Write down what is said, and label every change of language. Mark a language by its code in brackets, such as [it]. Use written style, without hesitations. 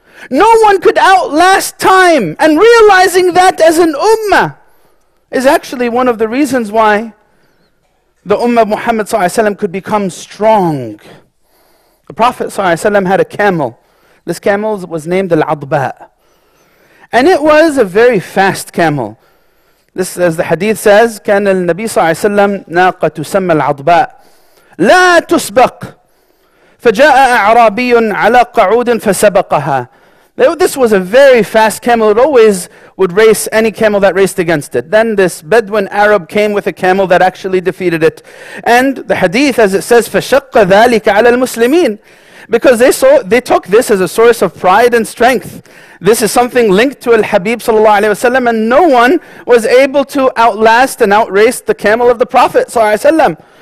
[en] No one could outlast time, and realizing that as an ummah is actually one of the reasons why the ummah of Muhammad sallallahu alaihi wasallam could become strong. The Prophet sallallahu alaihi wasallam had a camel. This camel was named Al-Adba, and it was a very fast camel. This, as the hadith says, [ar] كان النبي صلى الله عليه وسلم ناقة تسمى العضباء لا تسبق فجاء أعرابي على قعود فسبقها. [en] This was a very fast camel. It always would race any camel that raced against it. Then this Bedouin Arab came with a camel that actually defeated it. And the hadith, as it says, [ar] فشق ذلك على المسلمين, [en] because they took this as a source of pride and strength. This is something linked to Al-Habib sallallahu alaihi wasallam, and no one was able to outlast and outrace the camel of the Prophet sallallahu alaihi wasallam.